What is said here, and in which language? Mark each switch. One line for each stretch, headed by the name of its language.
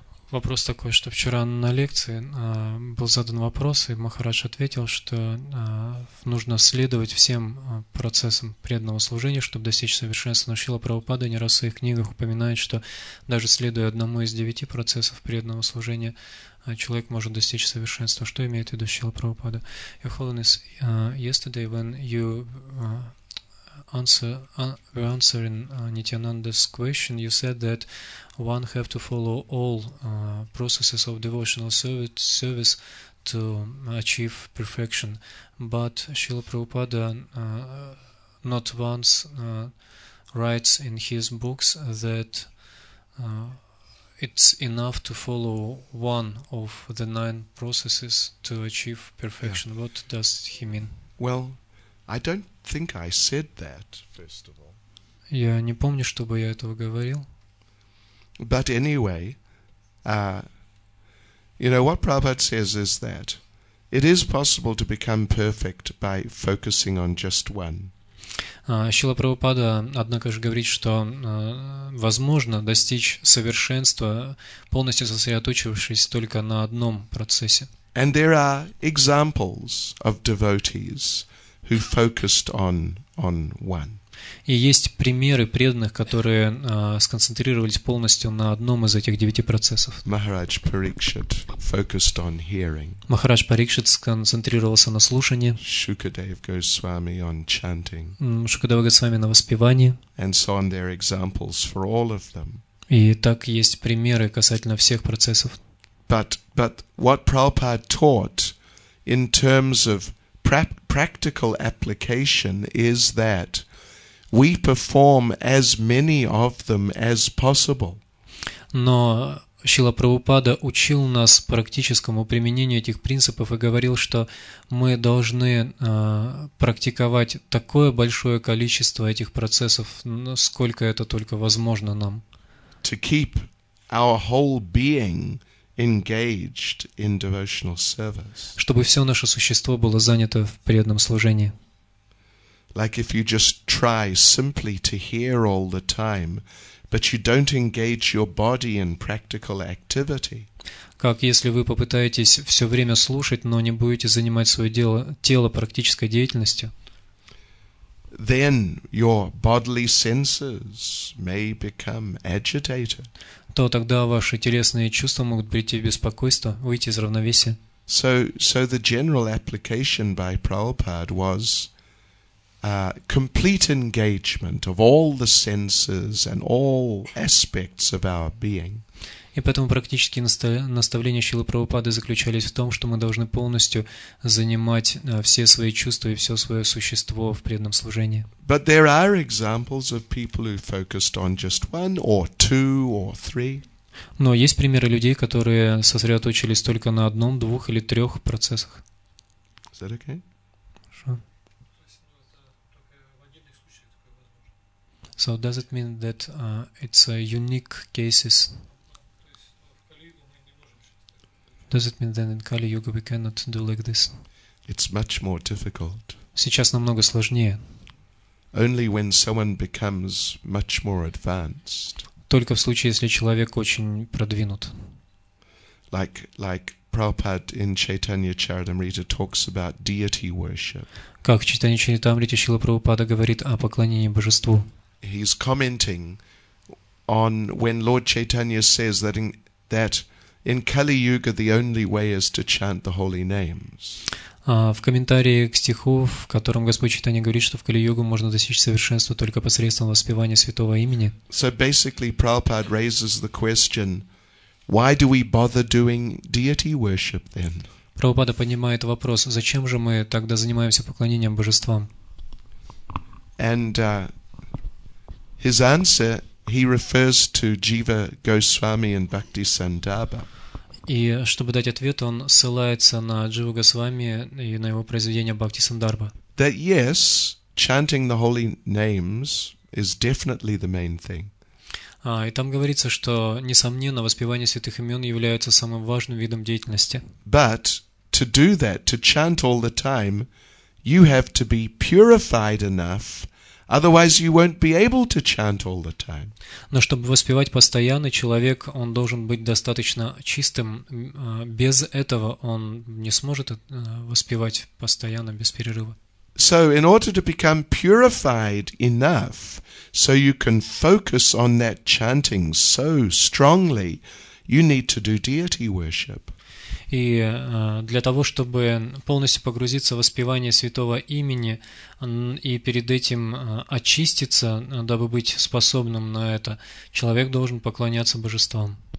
Russian: Вопрос такой, что вчера на лекции был задан вопрос, и Махарадж ответил, что нужно следовать всем процессам преданного служения, чтобы достичь совершенства. Но Шрила Прабхупада не раз в своих книгах упоминает, что даже следуя одному из 9 процессов преданного служения, человек может достичь совершенства. Что имеет в виду Шрила Прабхупада?
English: Your Holiness, yesterday when you answering Nityananda's question, you said that one have to follow all processes of devotional service to achieve perfection. But Srila Prabhupada not once writes in his books that it's enough to follow one of the 9 processes to achieve perfection. Yeah. What does he mean? Well, I don't think I said that, first of all.
Russian: Я не помню, чтобы я этого говорил.
English: But anyway, you know, what Prabhupada says is that it is possible to become perfect by focusing on just one.
Russian: Шрила Прабхупада, однако же, говорит, что возможно достичь совершенства, полностью сосредоточившись только на одном процессе.
English: And there are examples of devotees who focused on one.
Russian: И есть примеры преданных, которые сконцентрировались полностью на одном из этих 9 процессов.
English: Maharaj Parikshit focused on hearing.
Russian: Махарадж Парикшит сконцентрировался на слушании.
English: Shukadev Goswami on chanting.
Russian: Шукадева Госвами на воспевании.
English: And so on, there are examples for all of them.
Russian: И так есть примеры касательно всех процессов.
English: But what Prabhupada taught in terms of practical application is that we perform as many of them as possible.
Russian: Но Шрила Прабхупада учил нас практическому применению этих принципов и говорил, что мы должны практиковать такое большое количество этих процессов, сколько это только возможно нам.
English: To keep our whole being engaged in devotional service.
Russian: Чтобы все наше существо было занято в преданном служении.
English: Like if you just try simply to hear all the time, but you don't engage your body in practical activity.
Russian: Как если вы попытаетесь все время слушать, но не будете занимать свое тело практической деятельностью.
English: Then your bodily senses may become agitated.
Russian: То тогда ваши телесные чувства могут прийти в беспокойство, выйти из равновесия.
English: So the general application by Prabhupada was complete engagement of all the senses and all aspects of our being.
Russian: И поэтому практические наставления Шрилы Прабхупады заключались в том, что мы должны полностью занимать все свои чувства и все свое существо в преданном служении.
English: But there are examples of people who focused on just one or two or three.
Russian: Но есть примеры людей, которые сосредоточились только на одном, двух или трех процессах.
English: Is that okay?
Russian: Хорошо.
English: So does it mean that it's a unique cases? Does it mean then in Kali Yuga we cannot do like this? It's much more difficult.
Russian: Сейчас намного сложнее.
English: Only when someone becomes much more advanced.
Russian: Только в случае, если человек очень продвинут.
English: Like Prabhupada in Chaitanya Charitamrita talks about deity worship.
Russian: Как в Чайтанья Чаритамрите Шрила Прабхупада говорит о поклонении божеству.
English: He's commenting on when Lord Chaitanya says that in Kali Yuga the only way is to chant the holy names.
Russian: В комментарии к стиху, в котором Господь Чайтанья говорит, что в Кали-Югу можно достичь совершенства только посредством воспевания святого имени.
English: So basically Prabhupada raises the question, why do we bother doing deity worship then?
Russian: Прабхупада поднимает вопрос, зачем же мы тогда занимаемся поклонением божествам?
English: And his answer, he refers to Jiva Goswami and Bhakti Sandarbha.
Russian: И чтобы дать ответ, он ссылается на Джива Госвами и на его произведение Бхакти Сандарбха.
English: That yes, chanting the holy names is definitely the main thing.
Russian: И там говорится, что несомненно воспевание святых имен является самым важным видом деятельности.
English: But to do that, to chant all the time, you have to be purified enough Otherwise, you won't be able to chant all the time.
Russian: Но чтобы воспевать постоянно, человек, он должен быть достаточно чистым. Без этого он не сможет воспевать постоянно, без перерыва.
English: So, in order to become purified enough, so you can focus on that chanting so strongly, you need to do deity worship.
Russian: И для того, чтобы полностью погрузиться в воспевание святого имени и перед этим очиститься, дабы быть способным на это, человек должен поклоняться божествам.